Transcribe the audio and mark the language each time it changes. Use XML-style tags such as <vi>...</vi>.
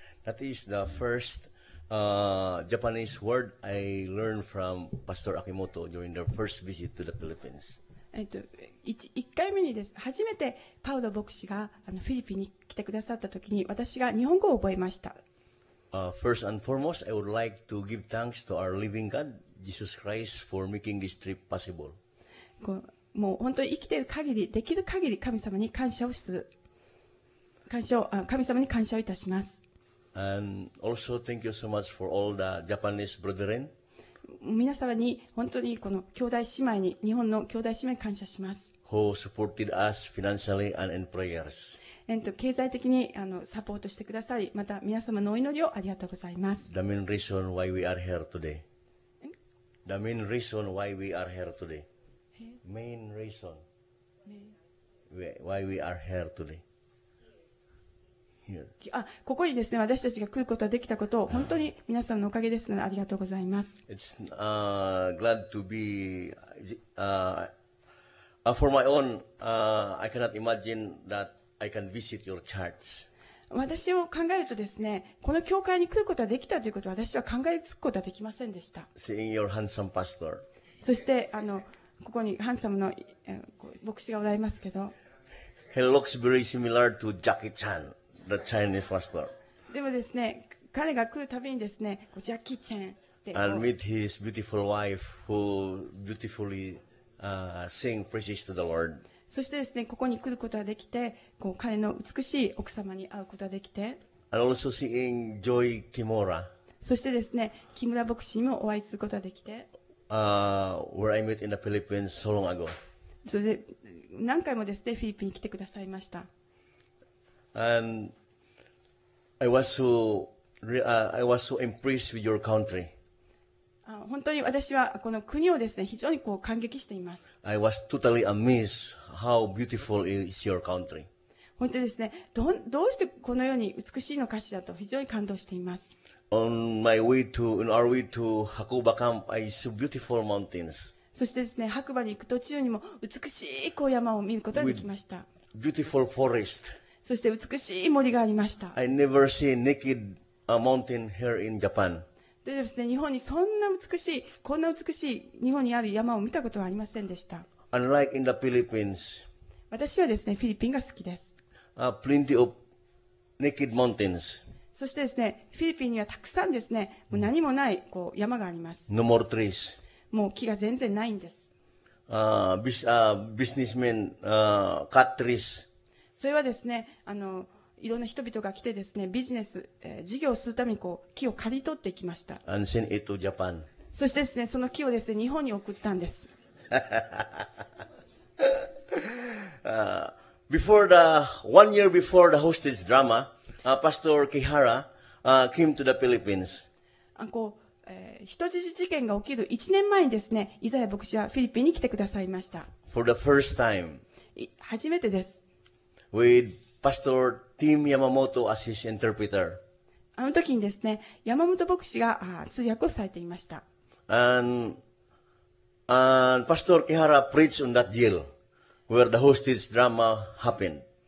<en>That is the first Japanese word I learned from Pastor Akimoto during their first visit to the Philippines.</en> <ja>1回目にです。初めてパウロ牧師があのフィリピンに来てくださった時に私が日本語を覚えました。</ja> <en>First and foremost, I would like to give thanks to our living God, Jesus Christ, for making this trip possible.</en> <ja>こう、もう本当に生きている限り、できる限り神様に感謝をする。感謝を、神様に感謝をいたします。</ja> <en>And also thank you so much for all the Japanese brethren.</en> <ja>皆様に本当にこの兄弟姉妹に日本の兄弟姉妹に感謝します。</ja> <en>Who supported us financially and in prayers.</en> <ja>経済的にあのサポートしてくださり、また皆様のお祈りをありがとうございます。</ja> <en>The main reason why we are here today. The main reason why we are here today. Main reason why we are here today.</en> <ja>あ、ここにですね、私たちが来ることができたことを本当に皆さんのおかげですのでありがとうございます。</ja> <en>It's glad to be for my own I cannot imagine that I can visit your church.</en> <ja>私を考えるとですね、この教会に来ることができたということを私は考えつくことはできませんでした。</ja> <en>Seeing your handsome pastor.</en> <ja>そしてあのここにハンサムの牧師がおられますけど、</ja> <en>He looks very similar to Jackie Chan. The Chinese pastor.</en> <ja>でもですね、彼が来るたびにですね、ジャッキー・チェン。</ja> <en>And meet his beautiful wife who beautifully sing praises to the Lord.</en> <ja>そしてですね、ここに来ることができて、こう彼の美しい奥様に会うことができて。</ja> <en>And also seeing Joy Kimura.</en> <ja>そしてですね、木村牧師にもお会いすることができて。</ja> <en>Where I met in the Philippines so long ago.</en> <ja>それで何回もですね、フィリピンに来てくださいました。</ja> <en>And I was so I was so impressed with your country.</en> <ja>本当に私はこの国をですね非常にこう感激しています。</ja> <en>I was totally amazed how beautiful is your country.</en> <ja>本当ですね。どうしてこのように美しいのかしらと非常に感動しています。</ja> <en>On my way to in our way to Hakuba camp, I saw beautiful mountains.</en> <ja>そしてですね白馬に行く途中にも美しいこう山を見ることができました。</ja> <en>With beautiful forest.</en> <ja>そして美しい森がありました。</ja> <en>I never see naked mountain here in Japan.</en> <ja>でですね、日本にそんな美しい、こんな美しい日本にある山を見たことはありませんでした。</ja> <en>Unlike in the Philippines.</en> <ja>私はですね、フィリピンが好きです。</ja> <en>Plenty of naked mountains.</en> <ja>そしてですね、フィリピンにはたくさんですね、もう何もないこう山があります。</ja> <en>No more trees.</en> <ja>もう木が全然ないんです。</ja> <en>Businessmen cut trees.</en> <ja>それはですね、あのいろんな人々が来てですね、ビジネス、事業をするためにこう木を刈り取っていきました。</ja> <en>And send it to Japan.</en> <ja>そしてですね、その木をですね、日本に送ったんです。</ja> <en>before the one year before the hostage drama, Pastor Kihara came to the Philippines.</en> <ja>あこう、人質事件が起きる1年前にですね、イザヤ牧師はフィリピンに来てくださいました。</ja> <en>For the first time.</en> <ja>初めてです。</ja> <en>With Pastor Tim Yamamoto as his interpreter.</en> <ja>あの時にですね、山本牧師が通訳をされていました。</ja> <en>And Pastor Kihara preached on that jail where the hostage drama happened.</en>